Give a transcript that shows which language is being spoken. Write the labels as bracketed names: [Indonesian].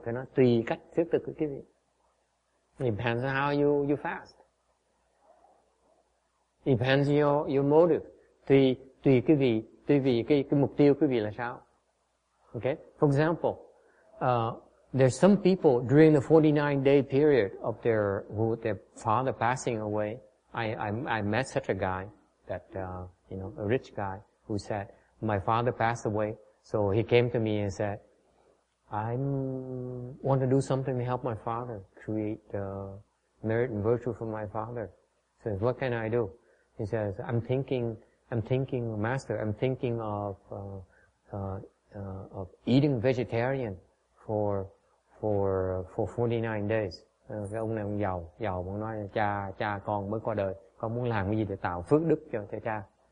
[Vietnamese] Thì nó tùy cách khuyết thực cái gì. [English] Depends on how you fast. Depends on your motive. [Vietnamese] Tùy cái gì, tùy vì cái mục tiêu quý vị là sao? [English] Okay? For example, there's some people during the 49-day period of their father passing away. I met such a guy that, a rich guy who said, my father passed away. So he came to me and said, I want to do something to help my father, create merit and virtue for my father. He says, what can I do? He says, I'm thinking of eating vegetarian for 49 days. [Vietnamese] Cái ông này ông giàu muốn nói cha con mới qua đời, con muốn làm cái gì để tạo phước đức cho cha.